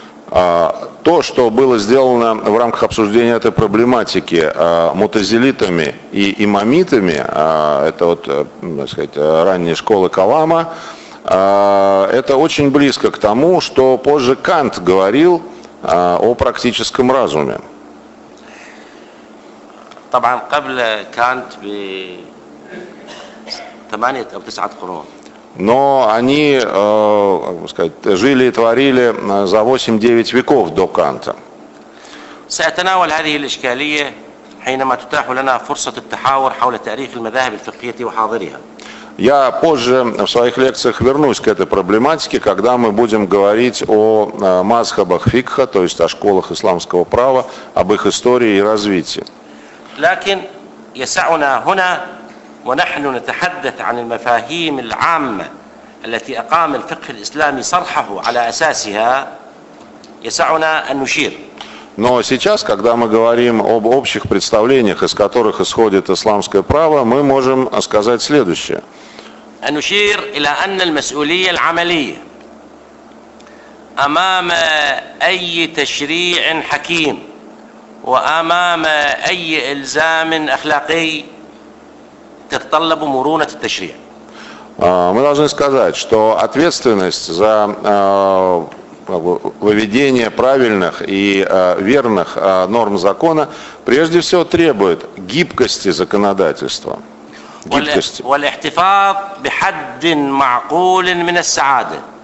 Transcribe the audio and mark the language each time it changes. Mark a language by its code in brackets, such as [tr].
[ru] То, что было сделано в рамках обсуждения этой проблематики мутазилитами и имамитами, это вот, так сказать, ранние школы Калама, это очень близко к тому, что позже Кант говорил о практическом разуме. [ar] طبعاً قبل كانت ب 8 أو 9 قرون. [ru] Но они, как бы сказать, жили и творили за 8-9 веков до Канта. [ar] سأتناول هذه الإشكالية حينما تتاح لنا فرصة التحاور حول تاريخ المذاهب الفقهية وحاضرها. [ru] Я позже в своих лекциях вернусь к этой проблематике, когда мы будем говорить о мазхабах фикха, то есть о школах исламского права, об их истории и развитии. [ar] لكن يسعنا هنا ونحن نتحدث عن المفاهيم العامة التي أقام الفقه الإسلامي صرحه على أساسها يسعنا أن نشير. [ru] Но сейчас, когда мы говорим об общих представлениях, из которых исходит исламское право, мы можем сказать следующее. [ar] أن نشير إلى أن المسؤولية العملية أمام أي تشريع حكيم وأمام أي إلزام أخلاقي تتطلب مرونة التشريع. [ru] Мы должны сказать, что ответственность за выведение правильных и верных норм закона прежде всего требует гибкости законодательства. Гибкости. [ar] والاحتفاظ بحد معقول من السعادة.